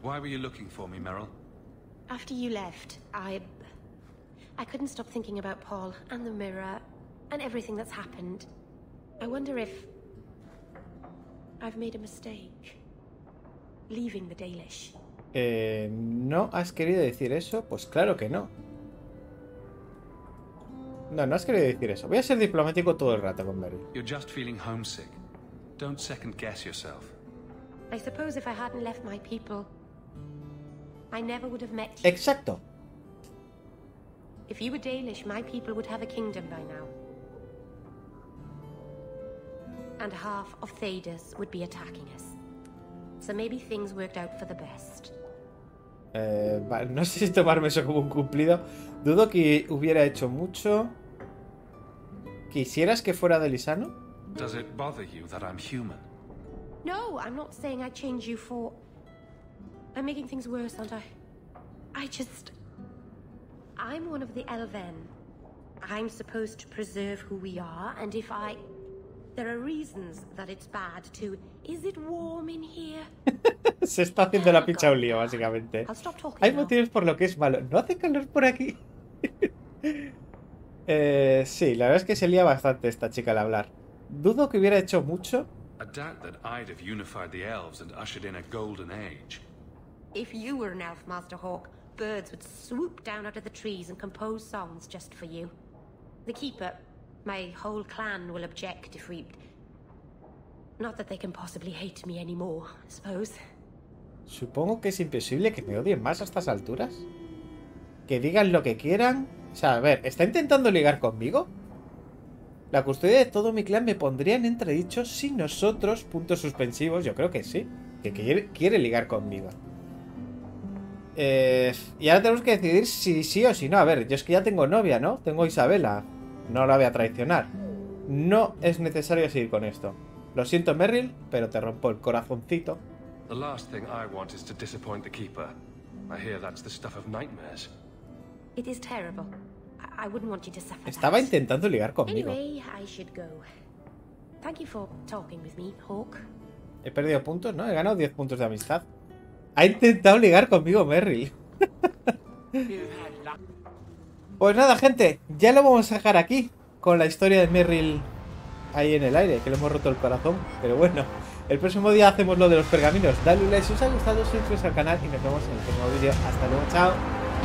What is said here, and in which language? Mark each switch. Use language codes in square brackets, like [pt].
[en] Why were you looking for me, Merrill? After you left, I couldn't stop thinking about Paul and the mirror and everything that's happened. I wonder if I've made a mistake leaving the Dalish. [es] ¿No has querido decir eso? Pues claro que no. No, no has querido decir eso. Voy a ser diplomático todo el rato con Mary. [en] You're just feeling homesick. Don't second guess yourself. I suppose if I hadn't left my people, I never would have met you. [es] Exacto. [en] If you were Dalish, my people would have a kingdom by now. And half of Thedas would be attacking us. So maybe things worked out for the best. [es] Vale, no sé si tomarme eso como un cumplido. Dudo que hubiera hecho mucho. ¿Quisieras que fuera de Lisano? [en] Does it bother you that I'm human? No, I'm not saying I change you for. I'm making things worse, aren't I? I just. I'm one of the Elven. I'm supposed to preserve who we are, and if I. There are reasons that it's bad to. Is it warm in here? [es] Se está haciendo la picha un lío, básicamente. Hay motivos por lo que es malo. No hace calor por aquí. sí, la verdad es que se lía bastante esta chica al hablar. Dudo que hubiera hecho mucho. [en] I doubt that I'd have unified the elves and ushered in a golden age. If you were an elf, Master Hawk, birds would swoop down out of the trees and compose songs just for you. The keeper, my whole clan will object if we. Not that they can possibly hate me anymore, I suppose. [es] Supongo que es imposible que me odien más a estas alturas. Que digan lo que quieran. O sea, a ver, ¿está intentando ligar conmigo? La custodia de todo mi clan me pondría en entredicho si nosotros, puntos suspensivos, yo creo que sí. Que quiere ligar conmigo. Y ahora tenemos que decidir si sí o si no. A ver, yo es que ya tengo novia, ¿no? Tengo a Isabela. No la voy a traicionar. No es necesario seguir con esto. Lo siento, Merrill, pero te rompo el corazoncito. [en] The last thing I want is to disappoint the keeper. I hear that's the stuff of nightmares. It is terrible. I wouldn't want you to suffer. [es] Estaba intentando ligar conmigo. [en] Anyway, I should go. Thank you for talking with me, Hawk. [es] He perdido puntos, ¿no? He ganado 10 puntos de amistad. Ha intentado ligar conmigo, Merrill. Pues nada, gente, ya lo vamos a dejar aquí con la historia de Merrill ahí en el aire, que le hemos roto el corazón, pero bueno. El próximo día hacemos lo de los pergaminos. Dale un like si os ha gustado, suscríbete al canal y nos vemos en el próximo vídeo. Hasta luego, chao.